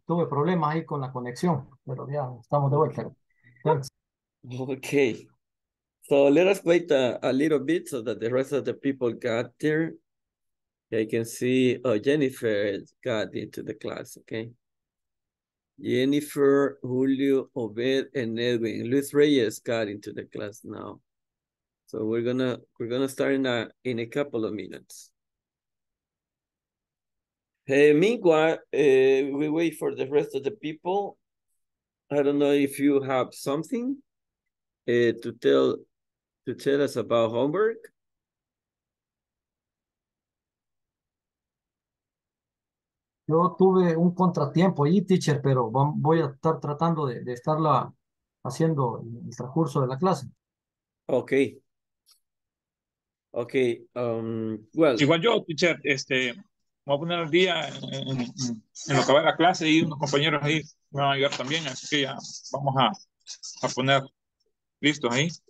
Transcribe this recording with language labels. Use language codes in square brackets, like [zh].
[es] Tuve problemas ahí con la conexión, pero ya estamos de vuelta. [en] Thanks. Okay. So let us wait a little bit so that the rest of the people got there. I can see Jennifer got into the class, okay? Jennifer, Julio, Obed, and Edwin. Luis Reyes got into the class now. So we're gonna start in a couple of minutes. Meanwhile, we wait for the rest of the people. I don't know if you have something to tell us about homework. [es] Yo tuve un contratiempo ahí, teacher, pero voy a estar tratando de estarla haciendo el transcurso de la clase. [en] Okay. Okay. Well. [es] Igual yo, teacher, voy a poner al día en lo que va a la clase y unos compañeros ahí me van a ayudar también, así que ya vamos a poner listos ahí.